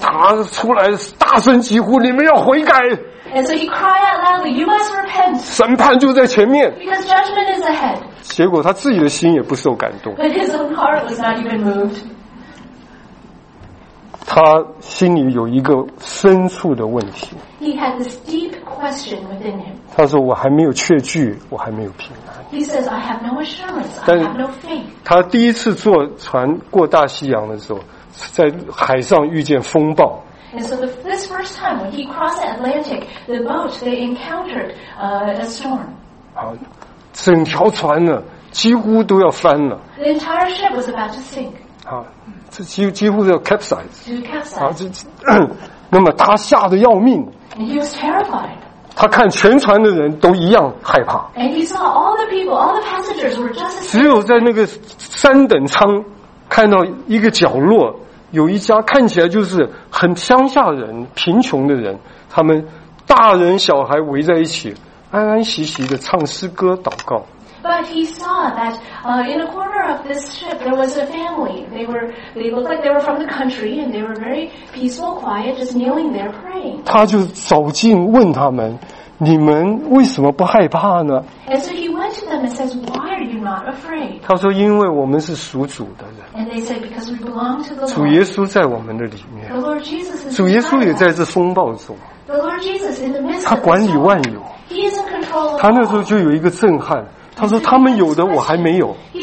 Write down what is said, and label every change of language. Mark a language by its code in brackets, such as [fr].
[zh] 他出来大声疾呼：“你们要悔改！” [en] And so he cried out loudly, "You must repent." [zh] 审判就在前面。 [en] Because judgment is ahead. [zh] 结果他自己的心也不受感动。 [en] But his own heart was not even moved. [zh] 他心里有一个深处的问题。 [en] He had this deep question within him. [zh] 他说：“我还没有确据，我还没有平安。” [en] He says, "I have no assurance. I have no faith." [zh] 他第一次坐船过大西洋的时候，在海上遇见风暴。 [en] And so this first time when he crossed the Atlantic, the boat they encountered a storm. [zh] 好，整条船呢几乎都要翻了。 [en] The entire ship was about to sink. [zh] 好。这几乎要 capsize, 啊，那么他吓得要命。 [en] And he was terrified. [zh] 他看全船的人都一样害怕。 [en] And he saw all the people, all the passengers were just. [zh] 只有在那个三等舱看到一个角落有一家看起来就是很乡下人、贫穷的人，他们大人小孩围在一起，安安息息的唱诗歌、祷告。 [en] But he saw that in a corner of this ship there was a family. They looked like they were from the country, and they were very peaceful, quiet, just kneeling there praying. [zh] 他就走近问他们：“你们为什么不害怕呢？” [en] And so he went to them and says, "Why are you not afraid?" [zh] 他说：“因为我们是属主的人。” [en] And they said, "Because we belong to the Lord." [zh] 主耶稣在我们的里面。 [en] The Lord Jesus is. [zh] 主耶稣也在这风暴中。 [en] The Lord Jesus in the midst of the storm. [zh] 他管理万有。 [en] He is in control. [zh] 他那时候就有一个震撼。他说他们有的我还没有。